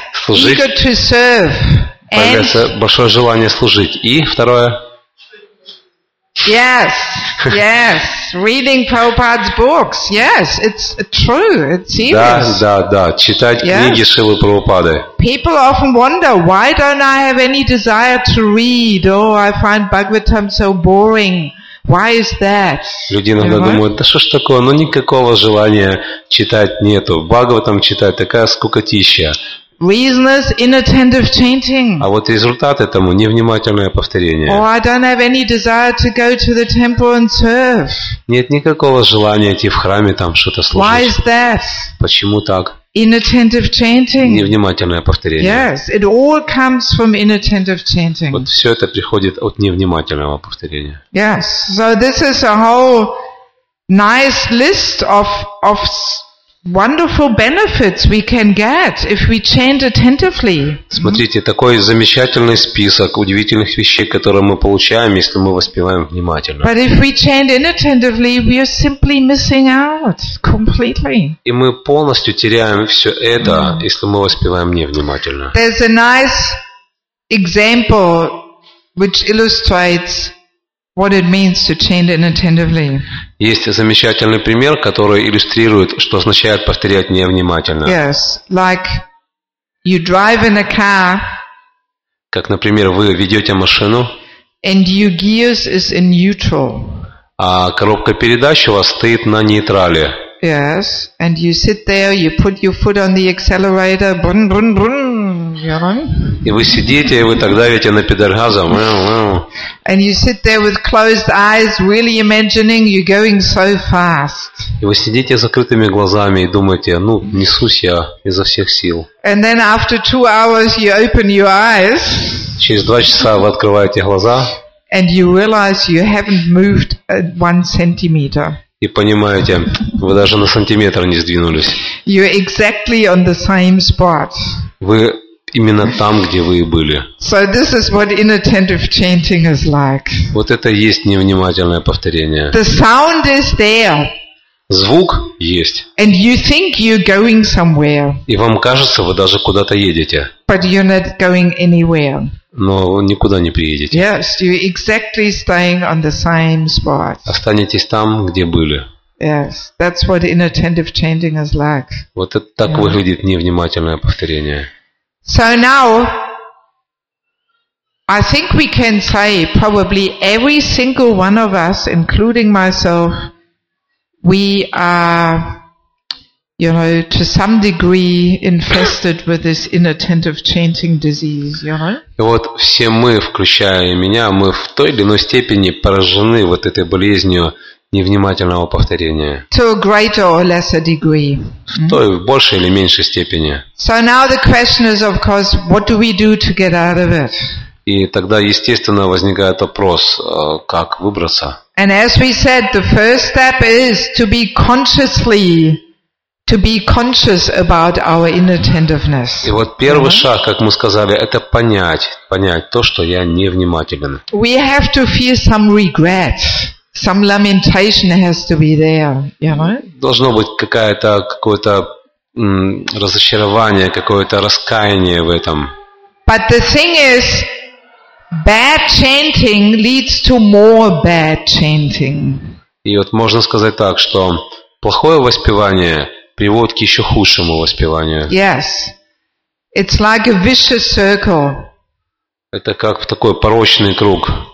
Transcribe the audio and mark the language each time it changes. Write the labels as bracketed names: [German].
[Russian] Служить. [English] Eager to serve. [Russian] Появляется большое желание служить. И второе. [English] Yes. Reading Prabhupada's books. Yes, it's true. It's serious. [Russian] Да. Читать книги Шрилы Прабхупады. [English] People often wonder, why don't I have any desire to read? Oh, I find Bhagavatam so boring. Why is that? [Russian] Люди иногда думают, да что ж такое, ну никакого желания читать нету. Бхагаватам читать, такая скукотища. [English] Reason is inattentive chanting. [Russian] А вот результат этому невнимательное повторение. [English] Oh, I don't have any desire to go to the temple and serve. [Russian] Нет никакого желания идти в храме там что-то служить. [English] Why is that? [Russian] Почему так? [English] Inattentive chanting. [Russian] Невнимательное повторение. [English] Yes, it all comes from inattentive chanting. [Russian] Вот все это приходит от невнимательного повторения. [English] Yes, so this is a whole nice list of wonderful benefits we can get if we chant attentively. [Russian] Смотрите, такой замечательный список удивительных вещей, которые мы получаем, если мы воспеваем внимательно. [English] But if we chant inattentively, we are simply missing out completely. [Russian] И мы полностью теряем все это, если мы воспеваем невнимательно. [English] There's a nice example which illustrates what it means to chant inattentively. [Russian] Есть замечательный пример, который иллюстрирует, что означает повторять невнимательно. [English] Yes, like you drive in a car. [Russian] Как, например, вы ведете машину. [English] And your gears is in neutral. [Russian] А коробка передач у вас стоит на нейтрале. [English] Yes, and you sit there, you put your foot on the accelerator, brum, brum, brum. [Russian] И вы сидите, и вы так давите на педаль газа. [English] And you sit there with closed eyes, really imagining you're going so fast. [Russian] И вы сидите с закрытыми глазами и думаете, ну, несусь я изо всех сил. [English] And then after 2 hours you open your eyes. [Russian] Через 2 часа вы открываете глаза. [English] And you realize you haven't moved 1 centimeter. [Russian] И понимаете, вы даже на сантиметр не сдвинулись. [English] You're exactly on the same spot. [Russian] Вы именно там, где вы и были. [English] So this is what inattentive chanting is like. [Russian] Вот это и есть невнимательное повторение. [English] The sound is there. [Russian] Звук есть. [English] And you think you're going somewhere. [Russian] И вам кажется, вы даже куда-то едете. [English] But you're not going anywhere. [Russian] Но никуда не приедете. [English] Yes, you're exactly staying on the same spot. [Russian] Останетесь там, где были. [English] Yes, that's what inattentive chanting is like. [Russian] Вот это так выглядит невнимательное повторение. [English] So now, I think we can say probably every single one of us, including myself, we are, you know, to some degree infested with this inattentive chanting disease, you know? [Russian] И вот все мы, включая меня, мы в той или иной степени поражены вот этой болезнью невнимательного повторения. [English] To a greater or lesser degree. [Russian] В той, в большей или меньшей степени. [English] So now the question is, of course, what do we do to get out of it? [Russian] И тогда, естественно, возникает вопрос, как выбраться? [English] And as we said, the first step is to be conscious about our inattentiveness. [Russian] И вот первый шаг, как мы сказали, это понять то, что я невнимателен. [English] We have to feel some regret. Some lamentation has to be there, you know? [Russian] Должно быть какое-то разочарование, какое-то раскаяние в этом. [English] But the thing is, bad chanting leads to more bad chanting. [Russian] И вот можно сказать так, что плохое воспевание приводит к еще худшему воспеванию. [English] Yes. It's like a vicious circle. [Russian] Это как такой порочный круг.